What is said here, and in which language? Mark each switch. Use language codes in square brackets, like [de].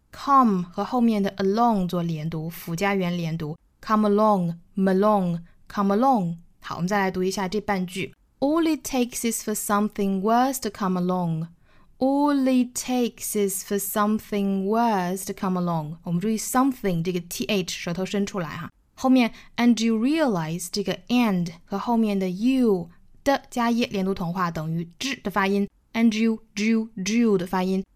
[zh] Come 和后面的 along 做连读，辅加元连读。 [en] Come along, along, come along。 [zh] 好，我们再来读一下这半句。 [en] All it takes is for something worse to come along. All it takes is for something worse to come along。 [zh] 我们注意 something 这个 th 舌头伸出来哈。后面 and you realize 这个 and 和后面的 you 的加一连读同化等于 z 的发音 ，and you 的发音。